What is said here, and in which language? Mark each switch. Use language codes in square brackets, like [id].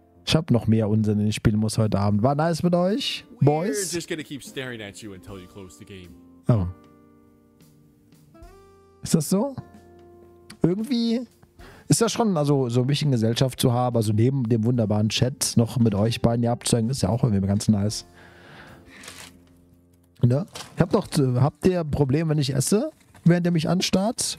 [de] Ich hab noch mehr Unsinn, den ich spielen muss heute Abend. War nice mit euch, [en] we're boys. We're just gonna keep staring at you until you close the game. Oh. [de] Ist das so? Irgendwie ist das schon, also so ein bisschen Gesellschaft zu haben, also neben dem wunderbaren Chat noch mit euch beiden hier abzuhängen, ist ja auch irgendwie ganz nice. Ne? Habt ihr ein Problem, wenn ich esse, während ihr mich anstarrt?